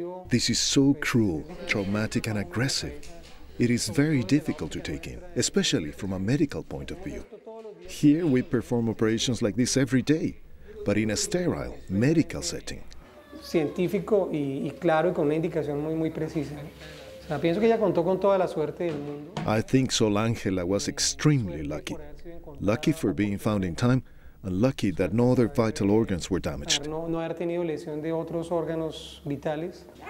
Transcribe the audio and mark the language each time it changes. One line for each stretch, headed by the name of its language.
English: This is so cruel, traumatic and aggressive. It is very difficult to take in, especially from a medical point of view. Here we perform operations like this every day, but in a sterile, medical setting.
Spanish: Científico y claro y con una indicación muy muy precisa. O sea, pienso que ella contó con toda la suerte del mundo.
English: I think Solangela was extremely lucky. Lucky for being found in time and lucky that no other vital organs were damaged.
Spanish: No haber tenido lesión de otros órganos vitales.